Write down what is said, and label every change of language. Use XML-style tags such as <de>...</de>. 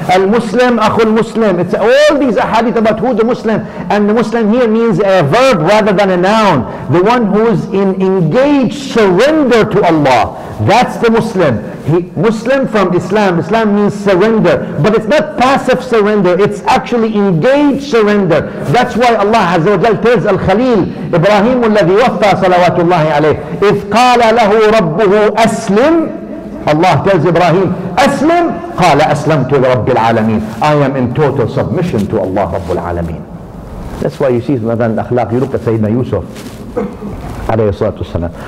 <en>Al-Muslim, akhul Muslim, it's all these ahadith about who the Muslim, and the Muslim here means a verb rather than a noun, the one who is in engaged surrender to Allah, that's the Muslim. He Muslim from Islam. Islam means surrender. But it's not passive surrender. It's actually engaged surrender. That's why Allah Azza wa Jal tells Al-Khalil, Ibrahim</en> <ar>الذي وفى صلوات الله عليه, إذ قال له ربه أسلم.</ar> <en>Allah tells Ibrahim, أسلم.</en> <ar>قال أسلمت لرب العالمين.</ar> <en>I am in total submission to Allah</en> <ar>رب العالمين.</ar> <en>That's why you see</en> <ar>مثلا الأخلاق.</ar> <en>You look at Sayyidina Yusuf</en> <ar>عليه الصلاة والسلام.</ar>